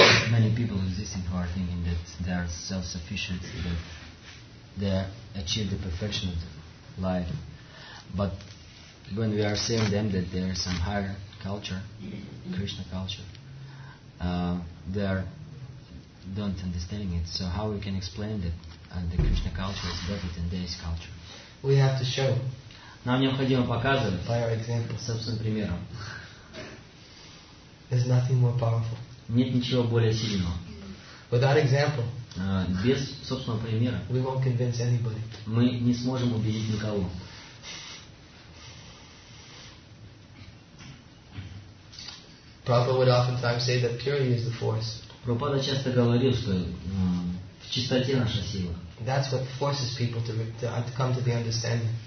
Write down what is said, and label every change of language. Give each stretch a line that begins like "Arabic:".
English: Many people existing who are thinking that they are self-sufficient, that they achieve the perfection of life, but when we are saying them that they are some higher culture, Krishna culture, they are don't understanding it. So how we can explain that the Krishna culture is better than their culture? We have to show.
Russian: Нам необходимо показывать.
English: By our example.
Russian: Собственным примером.
English: There's nothing more powerful.
Russian: Нет ничего более сильного.
English: Without example.
Russian: Без собственного примера.
English: We won't convince anybody.
Russian: Мы не сможем убедить никого.
English: Prabhupada would oftentimes say that purity is the force.
Russian: Прабхупада часто говорил, что в чистоте наша сила.
English: That's what forces people to come to the understanding.